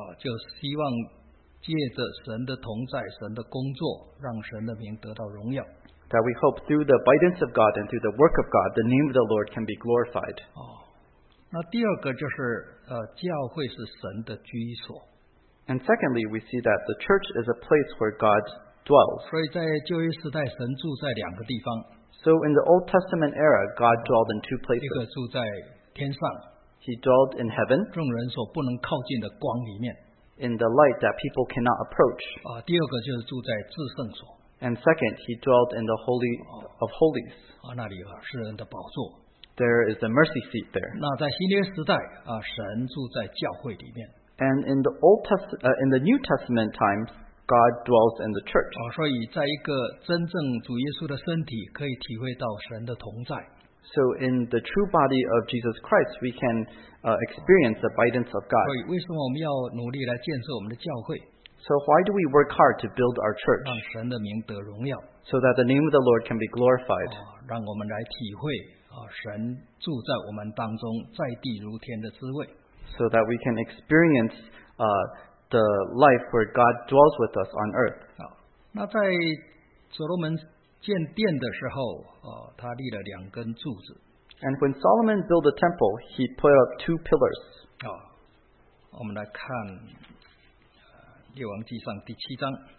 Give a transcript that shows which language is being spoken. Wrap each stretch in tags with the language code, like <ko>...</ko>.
<zh>就希望借着神的同在，神的工作，让神的名得到荣耀。</zh> <en>That we hope through the guidance of God and through the work of God, the name of the Lord can be glorified.</en> <zh>那第二个就是教会是神的居所。</zh> <en>And secondly, we see that the church is a place where God dwells.</en> <zh>所以在旧约时代，神住在两个地方。</zh> <en>So in the Old Testament era, God dwelled in two places.</en> <zh>一个住在天上。</zh> <en>He dwelled in heaven.</en> <zh>众人所不能靠近的光里面。</zh> <en>In the light that people cannot approach.</en> <zh>第二个就是住在至圣所。</zh> <en>And second, he dwelled in the Holy of Holies.</en> <zh>那里有世人的宝座。</zh> <en>There is a mercy seat there.</en> <zh>那在新约时代神住在教会里面。</zh> <en>And in the Old Testament, in the New Testament times, God dwells in the church.</en> <zh>所以在一个真正主耶稣的身体，可以体会到神的同在。</zh> <en>So in the true body of Jesus Christ, we can experience the abidance of God.</en> <zh>所以为什么我们要努力来建设我们的教会？</zh> <en>So why do we work hard to build our church?</en> <zh>让神的名得荣耀。</zh> <en>So that the name of the Lord can be glorified.</en> <zh>让我们来体会。神住在我们当中，在地如天的滋味。</zh> <en>So that we can experience the life where God dwells with us on earth.</en> <zh>那在所罗门建殿的时候，他立了两根柱子。</zh> <en>And when Solomon built the temple, he put up two pillars.</en> <zh>我们来看列王记上第七章。</zh>